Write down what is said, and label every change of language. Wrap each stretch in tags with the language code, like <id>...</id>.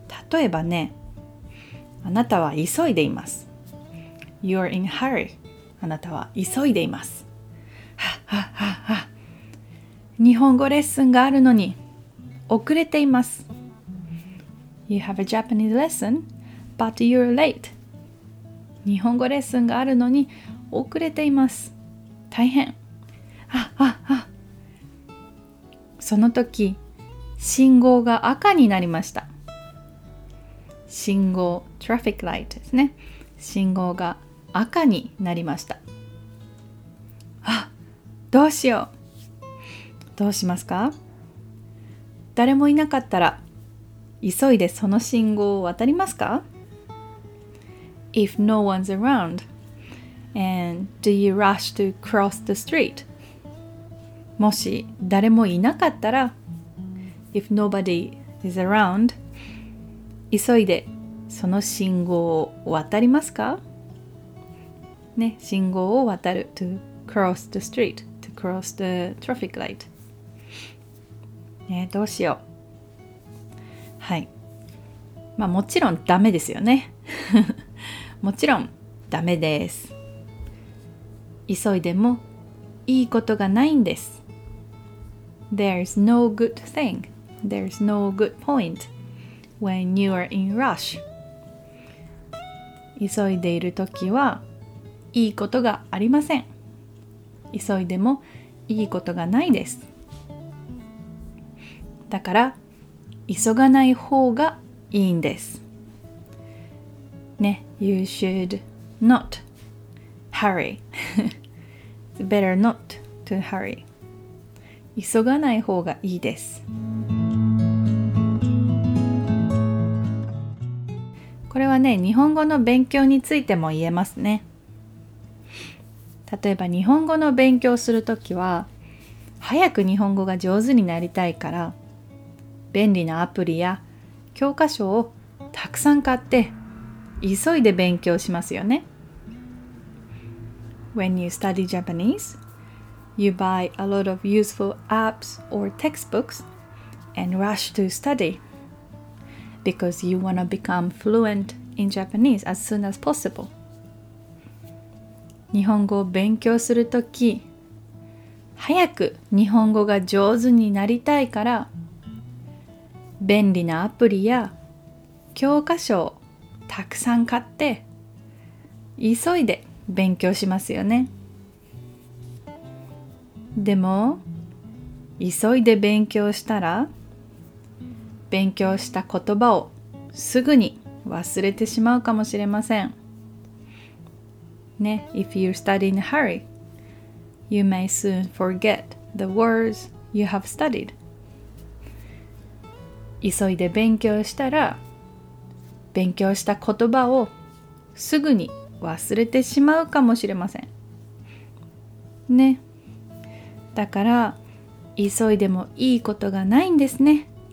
<ja>例えばね、あなたは急いでいます。</ja> <en>You're in hurry.</en> <ja>あなたは急いでいます。日本語レッスンがあるのに遅れています。</ja> <en>You have a Japanese lesson, but you're late.</en> <ja>日本語レッスンがあるのに遅れています。大変。その時、信号が赤になりました。信号、</ja> <en>traffic light</en> <ja>ですね。信号が赤になりました。あ、どうしよう。どうしますか？誰もいなかったら、急いでその信号を渡りますか？</ja> <en>If no one's around, and do you rush to cross the street?</en> <ja>もし誰もいなかったら、</ja> <en>If nobody is around,</en> <ja>急いでその信号を渡りますか？ね、信号を渡る、</ja> <en>to cross the street, to cross the traffic light、</en> <ja>ね、どうしよう。はい、まあ、もちろんダメですよねもちろんダメです。急いでもいいことがないんです。</ja> <en>There's no good thing, there's no good point when you are in rush。</en> <ja>急いでいるときはいいことがありません。急いでもいいことがないです。だから急がない方がいいんですね。</ja> <en>You should not hurry better not to hurry。</en> <ja>急がない方がいいです。これはね、日本語の勉強についても言えますね。例えば日本語の勉強するときは、早く日本語が上手になりたいから便利なアプリや教科書をたくさん買って急いで勉強しますよね。</ja> <en>When you study Japanese, you buy a lot of useful apps or textbooks and rush to study because you want to become fluent in Japanese as soon as possible。</en> <ja>日本語を勉強するとき、早く日本語が上手になりたいから、便利なアプリや教科書をたくさん買って、急いで勉強しますよね。でも、急いで勉強したら、勉強した言葉をすぐに忘れてしまうかもしれません。</ja> <en>ね、If you study in a hurry, you may soon forget the words you have studied.</en> <ja>急いで勉強したら、勉強した言葉をすぐに忘れてしまうかもしれません。ね。だから、急いでもいいことがないんですね。</ja>